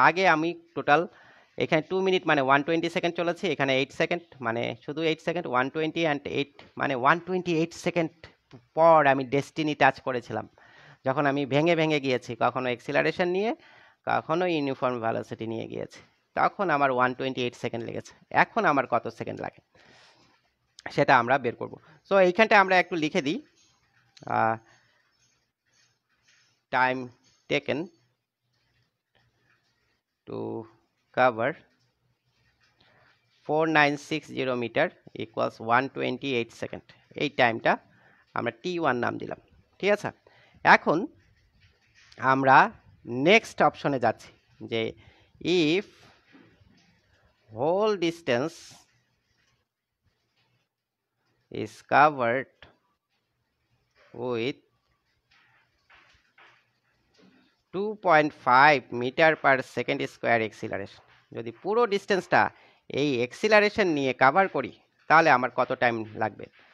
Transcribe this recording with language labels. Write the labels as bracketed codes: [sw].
[bn] আগে আমি টোটাল এখানে 2 মিনিট মানে 120 সেকেন্ড চলেছে, এখানে 8 সেকেন্ড মানে শুধু 8 সেকেন্ড, 120 অ্যান্ড 8 মানে 128 সেকেন্ড পর আমি ডেস্টিনি টাচ করেছিলাম, যখন আমি ভেঙে ভেঙে গিয়েছি, কখনো এক্সিলারেশন নিয়ে কখনো ইউনিফর্ম ভ্যালোসিটি নিয়ে গিয়েছি, তখন আমার 128 সেকেন্ড লেগেছে। এখন আমার কত সেকেন্ড লাগে সেটা আমরা বের করব। সো এইখানটা আমরা একটু লিখে দিই, [en] time taken to cover 4960 meter equals 128 second. [bn] এই টাইমটা আমরা টি ওয়ান নাম দিলাম, ঠিক আছে? এখন আমরা নেক্সট অপশনে যাচ্ছি যে [en] if whole distance is covered with 2.5 metre per second square acceleration, [bn] যদি পুরো ডিস্টেন্সটা এই এক্সিলারেশন নিয়ে কাভার করি তাহলে আমার কত টাইম লাগবে?